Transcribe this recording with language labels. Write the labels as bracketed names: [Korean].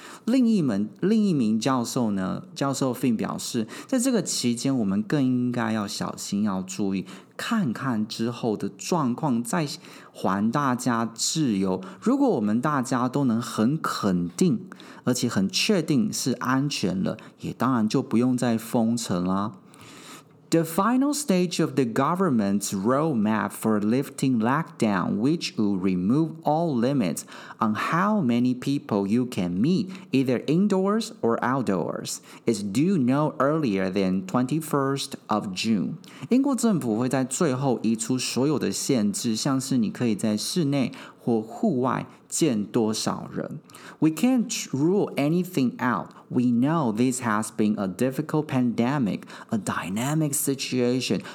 [Chinese] 另一名教授呢，教授 Finn 表示，在这个期间我们更应该要小心，要注意看看之后的状况再还大家自由。如果我们大家都能很肯定而且很确定是安全了，也当然就不用再封城了。 [English] The final stage of the government's roadmap for lifting lockdown, which will remove all limits on how many people you can meet, either indoors or outdoors, is due no earlier than 21st of June. [Chinese] 英国政府会在最后移除所有的限制，像是你可以在室内或户外见多少人。 [English] We can't rule anything out. We know this has been a difficult pandemic, a dynamic situation.